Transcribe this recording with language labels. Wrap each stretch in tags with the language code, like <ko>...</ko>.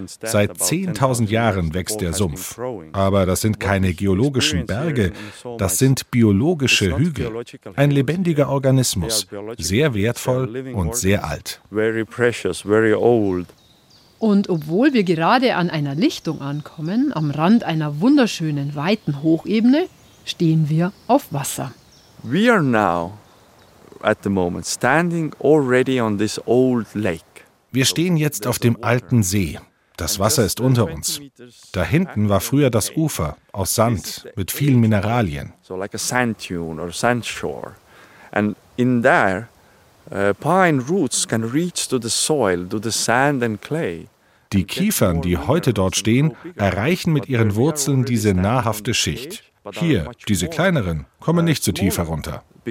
<de>Seit 10.000 Jahren wächst der Sumpf. Aber das sind keine geologischen Berge, das sind biologische Hügel. Ein lebendiger Organismus, sehr wertvoll und sehr alt. Und obwohl wir gerade an einer Lichtung ankommen, am Rand einer wunderschönen, weiten Hochebene, stehen wir auf Wasser.</de> <en>We are now at the moment standing already on this old lake.</en> <de>Wir stehen jetzt auf dem alten See. Das Wasser ist unter uns. Da hinten war früher das Ufer aus Sand mit vielen Mineralien.</de> <en>So like a sand dune or sand shore. And in there pine roots can reach to the soil, to the sand and clay.</en> <de>Die Kiefern, die heute dort stehen, erreichen mit ihren Wurzeln diese nahrhafte Schicht. Hier, diese kleineren, kommen nicht so tief herunter.</de>